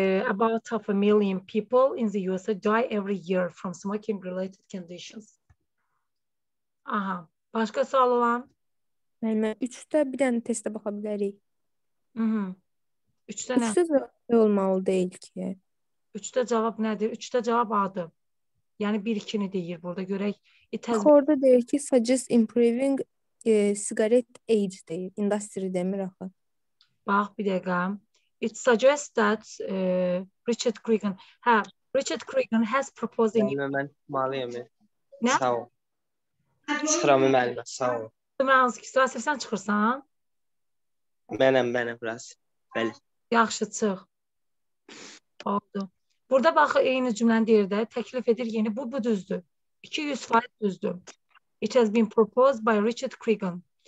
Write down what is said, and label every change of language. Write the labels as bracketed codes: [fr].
[en] About half a million people in the USA die every year from smoking related conditions. [az] Aha. Başka sual olan? Mənim, üçdə bir dənə testə baxa bilərik. Üçdə nə? Üçdə cavab olmalı deyil ki. Üçdə cavab nədir? Üçdə cavab adı. Yəni bir ikini deyir burada. Görək. Orada deyir ki, [en] suggest improving cigarette age [az] deyir. Industry demir axı. Bax, bir dəqiqə. [en] It suggests that Richard Cregan Richard Cregan has proposed [az] in... Mən maliyəmi. Nə? Sağ ol. Sıramı məlumə, sağ ol. Mən hansı ki, Rasif, sən çıxırsan? Mənəm, Rasif. Bəli. Yaxşı, çıx. Oldu. Burada bax, eyni cümləni deyir də, təklif edir yeni. Bu düzdür. 200% düzdür. [en] It has been proposed by Richard Cregan.